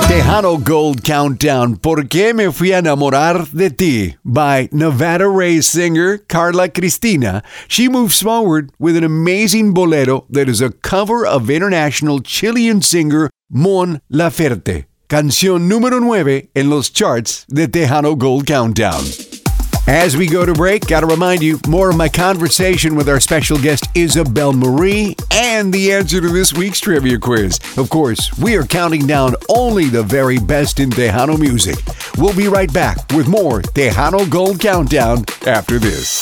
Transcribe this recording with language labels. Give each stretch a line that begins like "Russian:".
Spanish: Tejano Gold Countdown, ¿Por qué me fui a enamorar de ti?
English: By Nevada-raised singer Carla Cristina. She moves forward with an amazing bolero that is a cover of international Chilean singer Mon Laferte.
Spanish: Canción número 9 en los charts de Tejano Gold Countdown.
English: As we go to break, gotta remind you, more of my conversation with our special guest Isabel Marie and the answer to this week's trivia quiz. Of course, we are counting down only the very best in Tejano music. We'll be right back with more Tejano Gold Countdown after this.